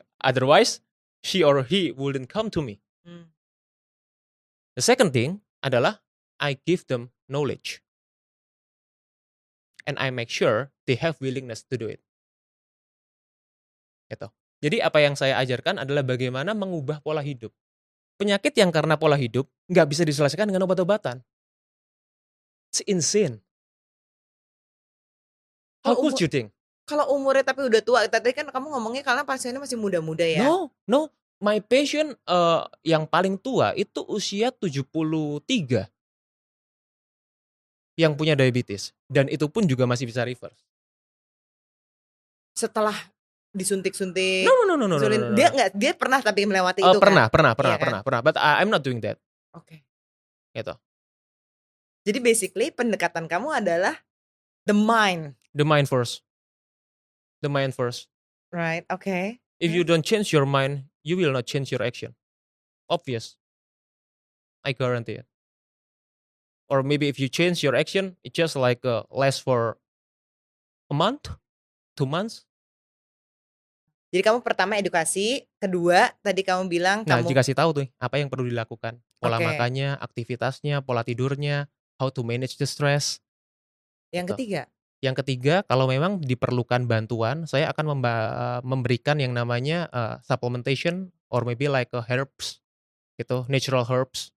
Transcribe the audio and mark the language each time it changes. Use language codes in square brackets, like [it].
[en] Otherwise she or he wouldn't come to me. The second thing adalah I give them knowledge and I make sure they have willingness to do it. [id] Gitu. Jadi apa yang saya ajarkan adalah bagaimana mengubah pola hidup. Penyakit yang karena pola hidup enggak bisa diselesaikan dengan obat-obatan. [en] It's insane. How could you think? [id] Kalau umurnya tapi udah tua, tadi kan kamu ngomongnya karena pasiennya masih muda-muda ya. [en] No, no. My patient [id] yang paling tua itu usia 73. Yang punya diabetes. Dan itu pun juga masih bisa reverse. Setelah disuntik-suntik. [en] No. [id] Dia enggak, dia pernah tapi melewati itu pernah, kan? [en] Pernah. But I'm not doing that. Oke. Okay. Gitu. [id] Jadi basically pendekatan kamu adalah [en] the mind. The mind first. Right, okay. If you don't change your mind, you will not change your action. Obvious. I guarantee it. Or maybe if you change your action, it just like lasts for a month, 2 months. [id] Jadi kamu pertama edukasi, kedua tadi kamu bilang nah, kamu... dikasih tahu tuh apa yang perlu dilakukan. Pola makannya, aktivitasnya, pola tidurnya, [en] how to manage the stress. [id] Yang ketiga? Yang ketiga, kalau memang diperlukan bantuan, saya akan memberikan yang namanya [en] supplementation or maybe like herbs, [id] gitu, [en] natural herbs.